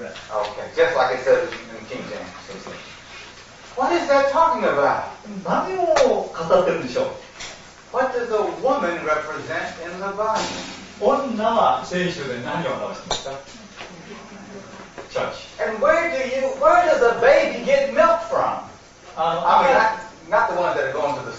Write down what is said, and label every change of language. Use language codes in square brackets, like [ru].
[en] Okay, just like it says in King James. What is that talking about? [ja] 何を語ってるんでしょう? [en] What does a woman represent in the Bible? [ja] 女は聖書で何を表してますか? [en] Church. And where does a baby get milk from? I mean, not the ones that are going